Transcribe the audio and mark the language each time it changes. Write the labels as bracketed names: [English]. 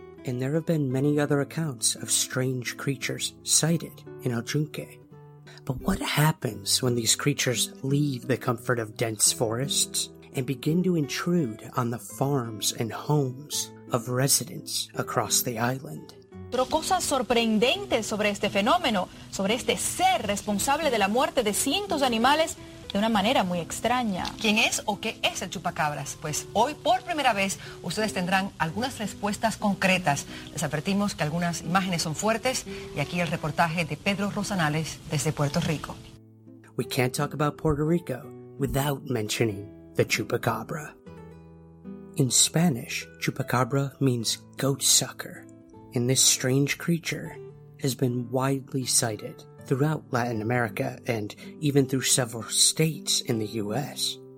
[English] And there have been many other accounts of strange creatures sighted in El Junque. But what happens when these creatures leave the comfort of dense forests and begin to intrude on the farms and homes of residents across the island? [Spanish] Pero cosas sorprendentes sobre este fenómeno, sobre este ser responsable de la muerte de cientos de animales de una manera muy extraña. ¿Quién es o qué es el chupacabras? Pues hoy, por primera vez, ustedes tendrán algunas respuestas concretas. Les advertimos que algunas imágenes son fuertes, y aquí el reportaje de Pedro Rosanales desde Puerto Rico. [English] We can't talk about Puerto Rico without mentioning the chupacabra. In Spanish, chupacabra means goat sucker, and this strange creature has been widely sighted throughout Latin America and even through several states in the U.S.